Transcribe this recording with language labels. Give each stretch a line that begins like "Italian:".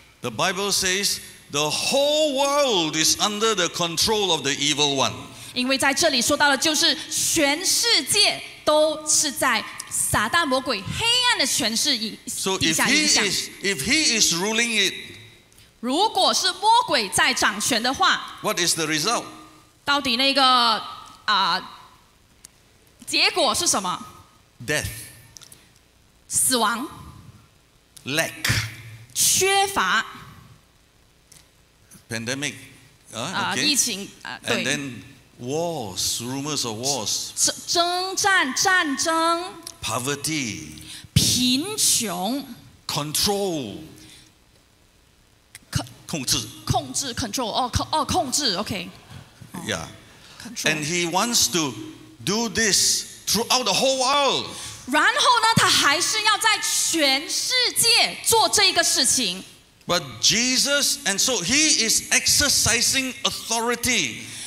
English: the Bible says, the whole world is under the control of the evil one.
Chinese: 因为在这里说到的，就是全世界都是在撒旦魔鬼黑暗的权势底下影响。
English: So if he is ruling it,
Chinese: 如果是魔鬼在掌权的话，
English: what is the result?
Chinese: 到底那个结果是什么？
English: Death.
Chinese: 死亡。
English: Lack.
Chinese: 缺乏。
English: Pandemic.
Chinese: Okay. 疫情。
English: And then wars, rumors of wars.
Chinese: 征战。
English: Poverty.
Chinese: 贫穷。
English: Control.
Chinese: 控制。控制,
English: control. Oh, 控制, okay. Yeah. Control. And he wants to do this throughout the whole world.
Chinese: 然后呢，他还是要在全世界做这个事情。
English: But Jesus, and so he is exercising authority.